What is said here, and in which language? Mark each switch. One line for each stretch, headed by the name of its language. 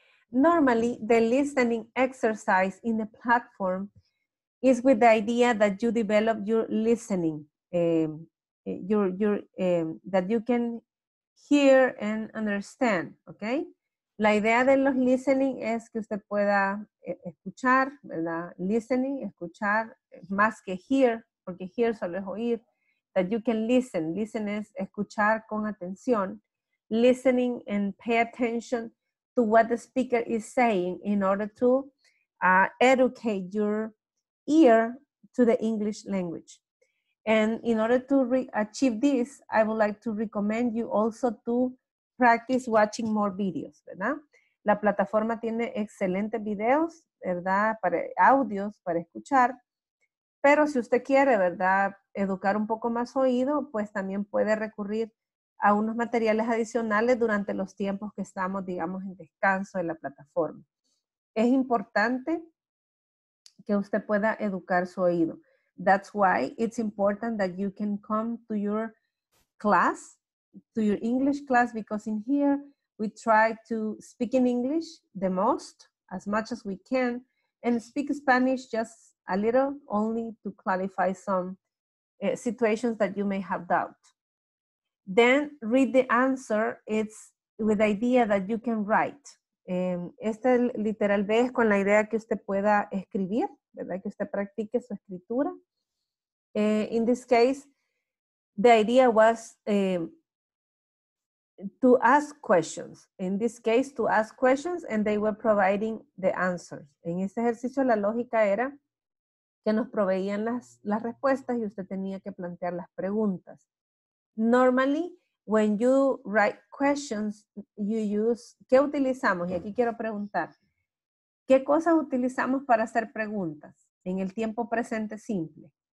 English: Normally, the listening exercise in the platform is with the idea that you develop your listening, that you can hear and understand, okay?
Spanish: La idea de los listening es que usted pueda escuchar, ¿verdad? Listening, escuchar, más que hear, porque hear solo es oír.
English: That you can listen. Listen
Spanish: es escuchar con atención.
English: Listening and pay attention to what the speaker is saying in order to educate your ear to the English language. And in order to achieve this, I would like to recommend you also to practice watching more videos, ¿verdad?
Spanish: La plataforma tiene excelentes videos, ¿verdad? Para audios, para escuchar. Pero si usted quiere, ¿verdad?, educar un poco más oído, pues también puede recurrir a unos materiales adicionales durante los tiempos que estamos, digamos, en descanso de la plataforma. Es importante que usted pueda educar su oído.
English: That's why it's important that you can come to your class, to your English class, because in here we try to speak in English the most, as much as we can, and speak Spanish just a little, only to clarify some situations that you may have doubt. Then read the answer. It's with the idea that you can write.
Spanish: Este literal B es con la idea que usted pueda escribir, ¿verdad? Que usted practique su escritura.
English: In this case, the idea was to ask questions. In this case, to ask questions and they were providing the answers. En este ejercicio, la lógica era que nos proveían las respuestas y usted tenía que plantear las preguntas. Normally, when you write questions, you use,
Spanish: ¿qué utilizamos? Y aquí quiero preguntar, ¿qué cosas utilizamos para hacer preguntas en el tiempo presente simple?